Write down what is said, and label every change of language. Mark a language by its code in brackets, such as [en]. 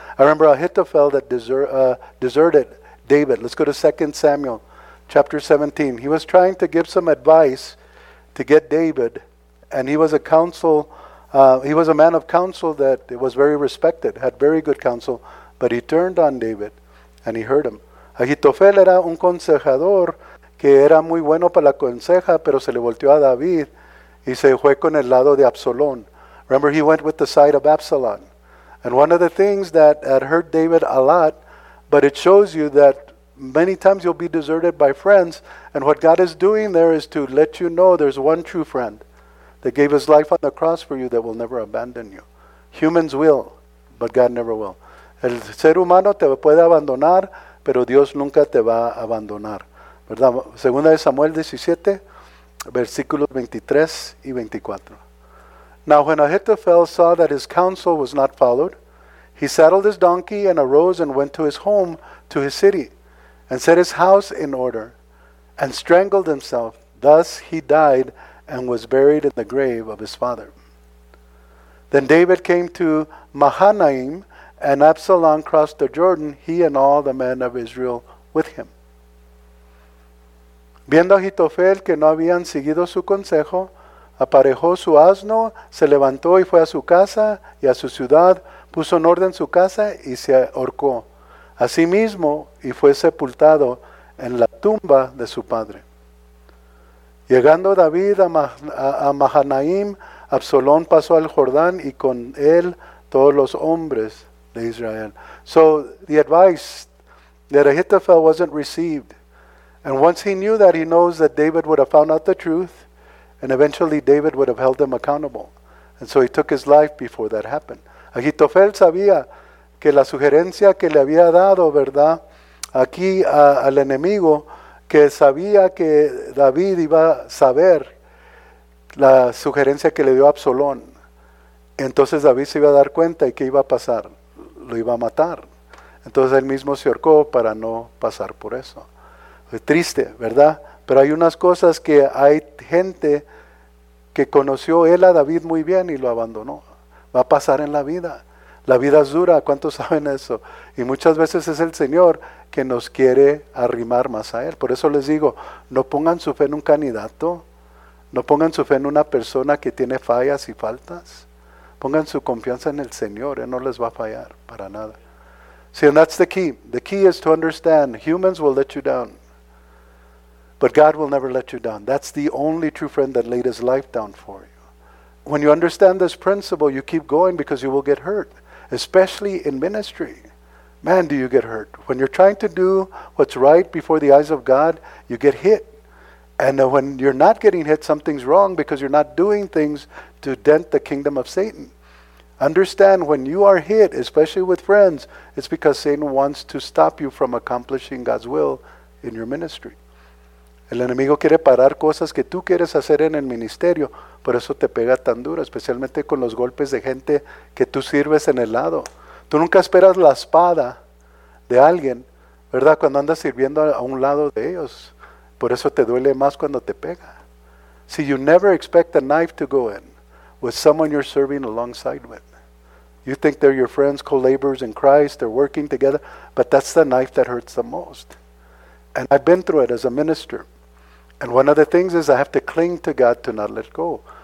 [en] I remember Ahitofel that deserted David. Let's go to 2 Samuel chapter 17. He was trying to give some advice to get David, and he was a counsel. He was a man of counsel that was very respected, had very good counsel, but he turned on David. And he heard him. [es] Ahitofel era un consejador que era muy bueno para la conseja, pero se le volteó a David y se fue con el lado de Absalón. [en] Remember, he went with the side of Absalom. And one of the things that had hurt David a lot, but it shows you that many times you'll be deserted by friends. And what God is doing there is to let you know there's one true friend that gave his life on the cross for you that will never abandon you. Humans will, but God never will. [es] El ser humano te puede abandonar, pero Dios nunca te va a abandonar. ¿Verdad? Segunda de Samuel 17, versículos 23 y 24. [en] Now when Ahithophel saw that his counsel was not followed, he saddled his donkey and arose and went to his home, to his city, and set his house in order, and strangled himself. Thus he died and was buried in the grave of his father. Then David came to Mahanaim, and Absalom crossed the Jordan, he and all the men of Israel with him. [es] Viendo Ahitofel que no habían seguido su consejo, aparejó su asno, se levantó y fue a su casa y a su ciudad, puso en orden su casa y se ahorcó a sí mismo y fue sepultado en la tumba de su padre. Llegando David a Mahanaim, Absalom pasó al Jordán y con él todos los hombres de Israel. [en] So the advice that Ahithophel wasn't received. And once he knew that, he knows that David would have found out the truth, and eventually David would have held them accountable. And so he took his life before that happened. [es] Ahithophel sabía que la sugerencia que le había dado, ¿verdad? Aquí al enemigo, que sabía que David iba a saber la sugerencia que le dio Absalón. Entonces David se iba a dar cuenta y qué iba a pasar. Lo iba a matar. Entonces él mismo se ahorcó para no pasar por eso. Fue triste, ¿verdad? Pero hay unas cosas que hay gente que conoció él a David muy bien y lo abandonó. Va a pasar en la vida. La vida es dura, ¿cuántos saben eso? Y muchas veces es el Señor que nos quiere arrimar más a él. Por eso les digo, no pongan su fe en un candidato. No pongan su fe en una persona que tiene fallas y faltas. Pongan su confianza en el Señor, él no les va a fallar para nada. [en] See, and that's the key. The key is to understand, humans will let you down. But God will never let you down. That's the only true friend that laid his life down for you. When you understand this principle, you keep going because you will get hurt. Especially in ministry. Man, do you get hurt. When you're trying to do what's right before the eyes of God, you get hit. And when you're not getting hit, something's wrong because you're not doing things to dent the kingdom of Satan. Understand, when you are hit, especially with friends, it's because Satan wants to stop you from accomplishing God's will in your ministry. [es] El enemigo quiere parar cosas que tú quieres hacer en el ministerio, por eso te pega tan duro, especialmente con los golpes de gente que tú sirves en el lado. Tú nunca esperas la espada de alguien, ¿verdad? Cuando andas sirviendo a un lado de ellos, por eso te duele más cuando te pega. [en] Si you never expect a knife to go in with someone you're serving alongside with. You think they're your friends, co-laborers in Christ, they're working together, but that's the knife that hurts the most. And I've been through it as a minister. And one of the things is I have to cling to God to not let go.